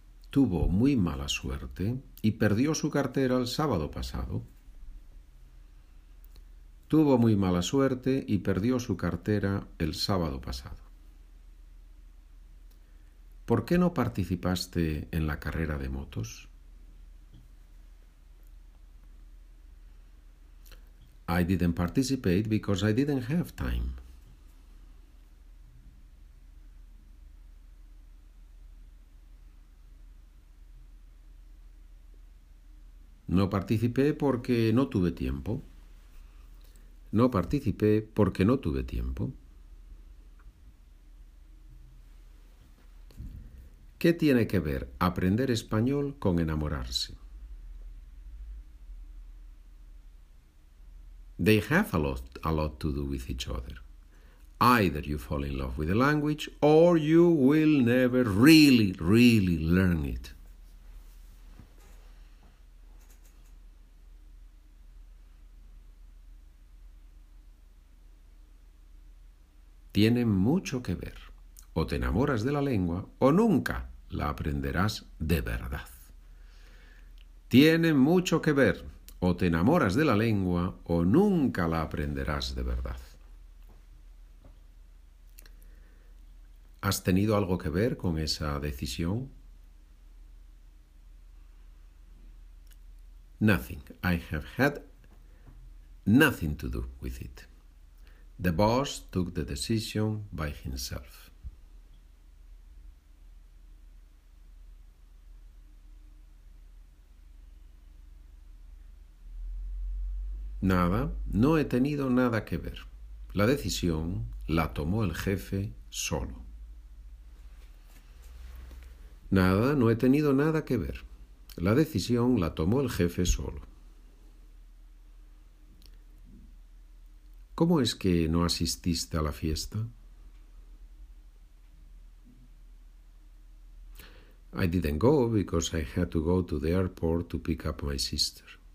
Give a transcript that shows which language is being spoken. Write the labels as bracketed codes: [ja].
[es] Tuvo muy mala suerte y perdió su cartera el sábado pasado. Tuvo muy mala suerte y perdió su cartera el sábado pasado. ¿Por qué no participaste en la carrera de motos? [en] I didn't participate because I didn't have time. [es] No participé porque no tuve tiempo. No participé porque no tuve tiempo. ¿Qué tiene que ver aprender español con enamorarse? [en] They have a lot to do with each other. Either you fall in love with the language or you will never really, really learn it. [es] Tienen mucho que ver. O te enamoras de la lengua o nunca la aprenderás de verdad. Tienen mucho que ver. O te enamoras de la lengua o nunca la aprenderás de verdad. ¿Has tenido algo que ver con esa decisión? [en] Nothing. I have had nothing to do with it. The boss took the decision by himself. [es] Nada, no he tenido nada que ver. La decisión la tomó el jefe solo. Nada, no he tenido nada que ver. La decisión la tomó el jefe solo. ¿Cómo es que no asististe a la fiesta? [en] I didn't go because I had to go to the airport to pick up my sister.